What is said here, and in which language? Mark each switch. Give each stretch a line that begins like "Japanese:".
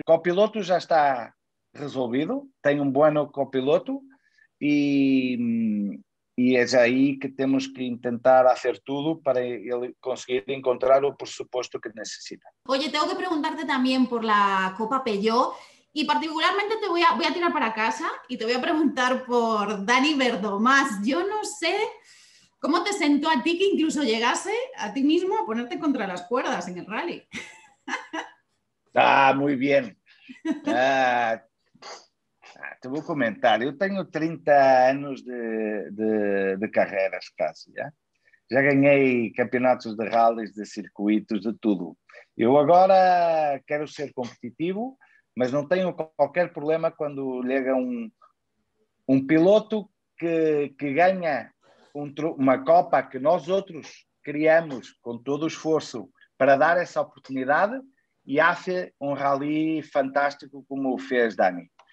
Portuguese: O copiloto já está resolvido, tem um bom copiloto e é aí que temos que tentar fazer tudo para ele conseguir encontrar o pressuposto que necessita. Oye, tenho que perguntar-te também
Spanish: por la Copa Peugeot. Y particularmente te voy a tirar para casa y te voy a preguntar por Dani Verdomás. Yo no sé cómo te sentó a ti que incluso llegase a ti mismo a ponerte contra las cuerdas en el rally. Ah, muy bien.
Portuguese: Te vou comentar, eu tenho 30 anos de carreiras quase, já. Já ganhei campeonatos de rallies, de circuitos, de tudo. Eu agora quero ser competitivo, mas não tenho qualquer problema quando chega um piloto que ganha uma Copa que nós outros criamos com todo o esforço para dar essa oportunidade e hace um rally fantástico como o fez Dani.